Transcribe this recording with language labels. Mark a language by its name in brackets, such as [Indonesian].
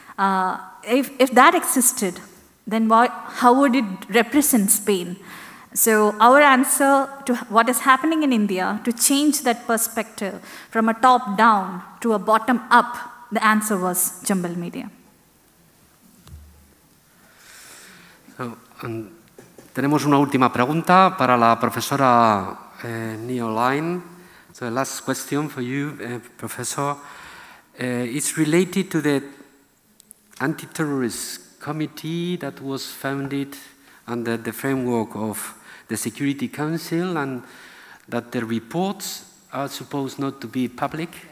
[English] If that existed, then how would it represent Spain? So our answer to what is happening in India, to change that perspective from a top down to a bottom up, the answer was Chambal Media. [Spanish] So, tenemos una última pregunta para la profesora Neoline. [English] So the last question for you, Professor. It's related to the anti-terrorist committee that was founded under the framework of the Security Council, and that the reports are supposed not to be public.